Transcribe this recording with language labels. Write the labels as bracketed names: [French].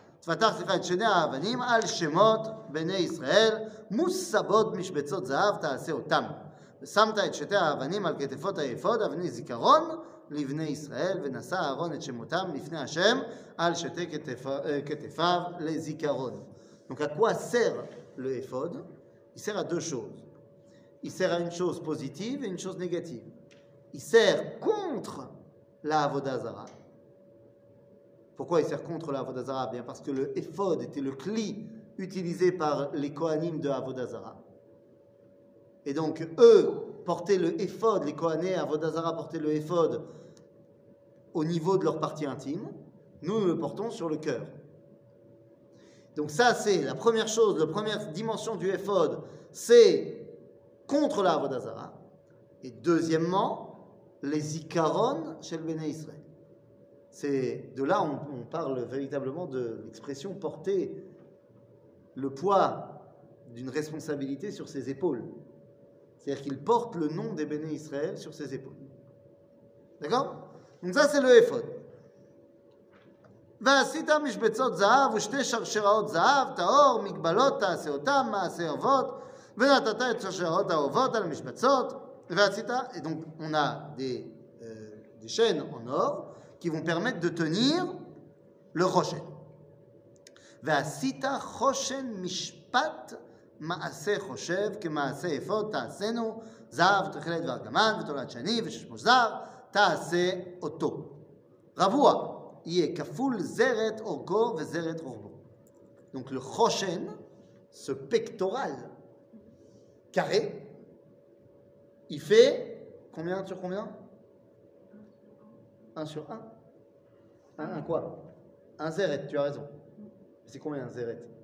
[Hebrew] תפתח לך את שני האבנים על שמות בני ישראל, מוסבות משבצות זהב, תעשה אותם. שמת את שתי האבנים על כתפות האפוד, אבני זיכרון לבני ישראל, ונשא אהרון את שמותם לפני השם על שתי כתפיו לזיכרון. [French] Donc à quoi sert le éphod? Il sert à deux choses. Il sert à une chose positive et une chose négative. Il sert contre la Avodah Zara. Pourquoi il sert contre la Avodah Zara? Bien parce que le éphod était le cli utilisé par les Kohanim de Avodah Zara. Et donc eux portaient le éphod, les Kohanim Avodah Zara portaient le éphod au niveau de leur partie intime. Nous, nous le portons sur le cœur. Donc ça, c'est la première chose, la première dimension du éphod, c'est contre la Avodah Zara. Et deuxièmement, les Zikaron shel Bnei Israël. C'est de là on parle véritablement de l'expression porter le poids d'une responsabilité sur ses épaules. C'est-à-dire qu'il porte le nom des Bnei Israël sur ses épaules. D'accord ? Donc ça, c'est le éphod. [Hebrew] ועשית משבצות זהב ושתי שרשראות זהב, טהור, מגבלות, תעשה אותם, מעשה אובות, ונתת את שרשראות האובות על המשבצות, ועשית, [French] donc on a des chaînes en or qui vont permettre de tenir le חושן. [Hebrew] ועשית חושן משפט מעשה חושב כמעשה אפוד, תעשינו זהב, תכלת וארגמן, ותולד שני, ושש מוזר, תעשה אותו. רבוע. [French] Il est [Hebrew] kaful zeret orgo ve zeret orbo. [French] Donc le choshen, ce pectoral carré, il fait combien sur combien? 1 sur 1. 1 à quoi? 1 zeret, tu as raison. C'est combien un zeret?